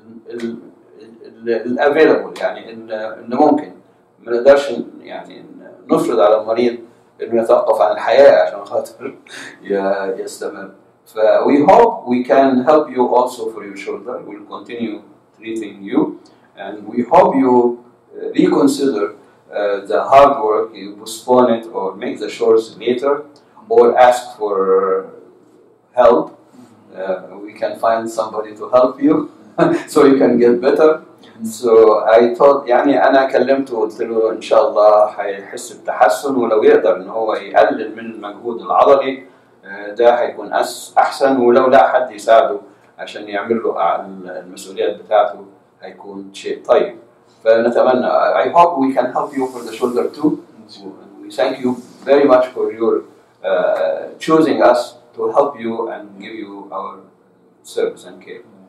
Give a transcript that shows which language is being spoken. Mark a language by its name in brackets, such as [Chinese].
[Arabic] ال الافيلبل يعني ان ممكن ما نقدرش يعني نفرض على المريض انه يتوقف عن الحياه عشان خاطر يستمر. [English] ف we hope we can help you also for your shoulder. We'll continue treating you and we hope you reconsider the hard work, you postpone it or make the shorts later or ask for help. We can find somebody to help you so you can get better. So I thought, [Arabic] يعني أنا كلمته وقلت له إن شاء الله هيحس بتحسن ولو يقدر إن هو يقلل من المجهود العضلي ده هيكون أحسن ولو لا حد يساعده عشان يعمل له المسؤوليات بتاعته هيكون شيء طيب فنتمنى [English] I hope we can help you for the shoulder too. And we thank you very much for your choosing us to help you and give you our service and care.